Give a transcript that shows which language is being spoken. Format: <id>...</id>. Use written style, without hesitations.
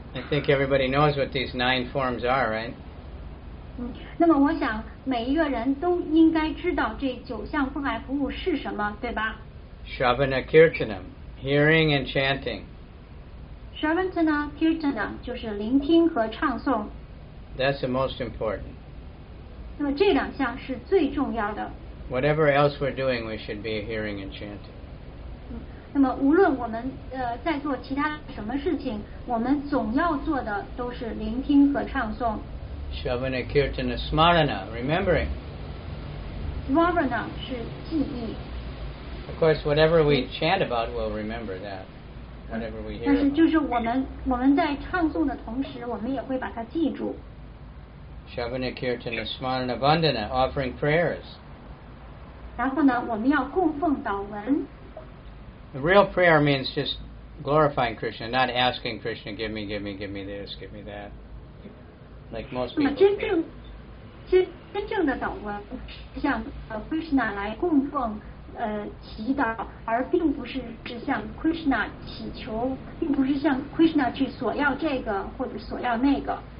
<en>think everybody knows what these nine forms are, right?</en> <zh>那么我想每一个人都应该知道这九项奉爱服务是什么，对吧？</zh> <en>Shravana Kirtanam, hearing and chanting.</en> <zh>Shravana Kirtanam 就是聆听和唱诵。</zh> <en>That's the most important.</en> <zh>那么这两项是最重要的。</zh> <en>Whatever else we're doing, we should be hearing and chanting.</en> <zh>那么无论我们在做其他什么事情，我们总要做的都是聆听和唱诵。</zh> <en>Shravana Kirtana Smarana, remembering.</en> <zh>Shravana 是记忆。</zh> <en>Of course, whatever we chant about, we'll remember that. Whatever we hear.</en> <zh>但是就是我们在唱诵的同时，我们也会把它记住。</zh> <en>Shravana Kirtana Smarana Vandana, offering prayers.</en> <zh>然后呢，我们要供奉祷文。</zh> <en>The real prayer means just glorifying Krishna, not asking Krishna, give me, give me, give me this, give me that. Like most people.</en> <zh>真正的祷文，向Krishna来供奉。祈祷，而并不是向Krishna祈求，并不是向Krishna去索要这个或者索要那个。</zh>